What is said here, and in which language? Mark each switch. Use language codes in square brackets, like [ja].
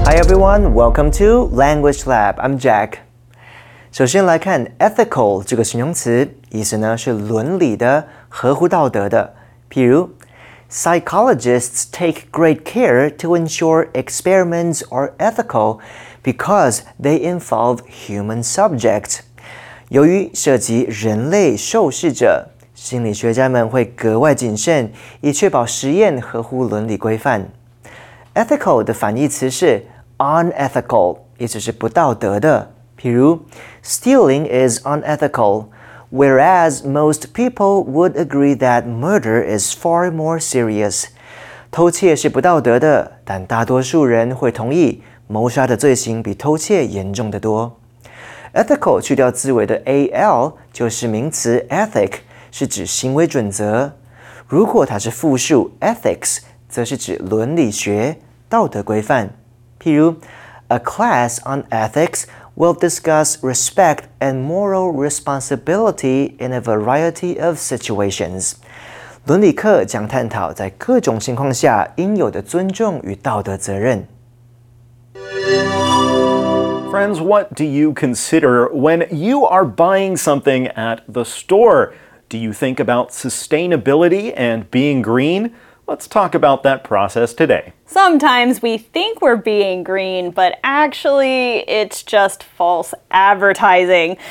[en] Everyone, welcome to Language Lab. I'm Jack. [zh] 首先来看 ethical 这个形容词，意思呢是伦理的，合乎道德的。譬如 [en] ，Psychologists take great care to ensure experiments are ethical because they involve human subjects. [zh] 由于涉及人类受试者，心理学家们会格外谨慎，以确保实验合乎伦理规范。 Ethical 的反义词是unethical, 意思是不道德的。譬如 [en] stealing is unethical, whereas most people would agree that murder is far more serious. [zh] 偷窃是不道德的，但大多数人会同意谋杀的罪行比偷窃严重得多。 Ethical 去掉字尾的 al 就是名词 ethic, 是指行为准则。如果它是复数 ethics, 则是指伦理学、道德规范。譬如 [en] ,a class on ethics will discuss respect and moral responsibility in a variety of situations. [zh] 伦理课将探讨在各种情况下应有的尊重与道德责任。 [en] Friends, what do you consider when you are buying something at the store? Do you think about sustainability and being green? Let's talk about that process today. Sometimes we think we're being green, but actually it's just false advertising.